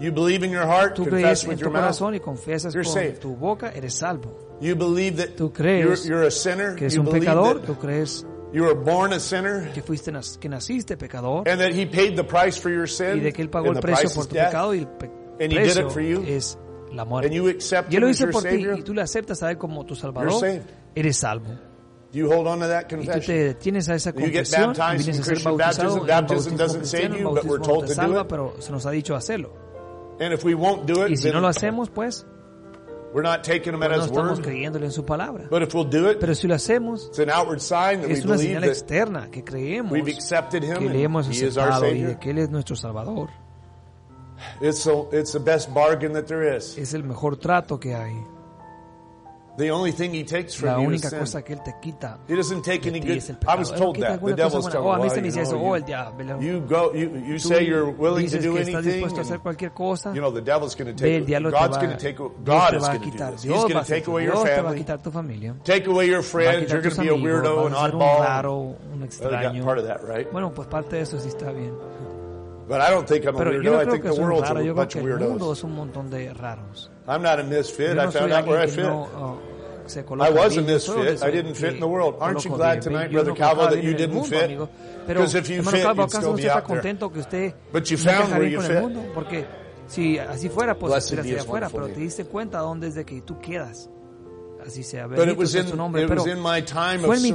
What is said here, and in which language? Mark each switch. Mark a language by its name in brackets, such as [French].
[English] You believe in your heart, [Spanish] tú [English] confess with [Spanish] tu [English] your mouth, [Spanish] y confiesas [English] you're [Spanish] con [English] saved. [Spanish] Tu boca, eres salvo. [English] You believe that [Spanish] tú crees [English] you're a sinner. [Spanish] Que eres [English] you [Spanish] un pecador. Tú crees [English] you were born a sinner. [Spanish] Que fuiste que naciste pecador. [English] And that he paid the price for your sin. [Spanish] Y de que él pagó el precio por tu pecado. [English] And he did it for you. [Spanish] Es la muerte. [English] And you accept [Spanish] y él lo hizo [English] him as [Spanish] por [English] your savior. [Spanish] Ti, y tú le aceptas a él como tu salvador. [English] You're saved. [Spanish] Eres salvo. [English] Do you hold on to that confession? [Spanish] Y tú te tienes a esa confesión. [English] You get baptized in Christian [Spanish] bautizado. [English] Baptism doesn't save you, but we're told to [Spanish] salva, [English] do it. [Spanish] Pero se nos ha dicho hacerlo. [English] And if we won't do it, [Spanish] y si no lo hacemos, pues. [English] We're not taking him at his word. [Spanish] No estamos creyéndole en su palabra. [English] But if we'll do it, [Spanish] pero si lo hacemos, [English] it's an outward sign that [Spanish] es una [English] we believe [Spanish] señal externa que creemos [English] we've accepted him [Spanish] que le hemos [English] and [Spanish] aceptado [English] he is our Savior. [Spanish] Y que él es nuestro Salvador. [English] It's the best bargain that there is. [Spanish] Es el mejor trato que hay. [English] The only thing he takes from [Spanish] la [English] you [Spanish] única [English] is [Spanish] cosa [English] sin. [Spanish] Que él te quita [English] he doesn't take any good [Spanish] pecado. [English] I was told that the devil's telling [Spanish] oh, [English] well, you know, [Spanish] eso, [English] you, [Spanish] el diablo, [English] you go you say you're willing to do anything [Spanish] and, cosa, [English] you know the devil's going to take [Spanish] ve, [English] God's [Spanish] va, [English] going to take God is going to do this [Spanish] Dios [English] he's going to take [Spanish] hacer, [English] away your [Spanish] Dios [English] family take away your friends you're going to be [Spanish] amigos, [English] a weirdo an oddball part of that right [Spanish] bueno pues parte de eso sí está bien [English] but I don't think I'm a [Spanish] pero [English] weirdo. I think the world's a bunch of weirdos. [Spanish] Un montón de raros. [English] I'm not a misfit. [Spanish] No [English] I found out where I fit. [Spanish] No, [English] I was a misfit. I didn't fit in the world. Aren't you glad tonight, Brother Calvo, that you didn't fit? Because if you fit, you'd still be out there. But you found where you fit. [Spanish] Porque si así fuera, pues estarías allá afuera. Pero te diste cuenta dónde es de que tú quedas. Así sea. [English] But it was in my time of surrender.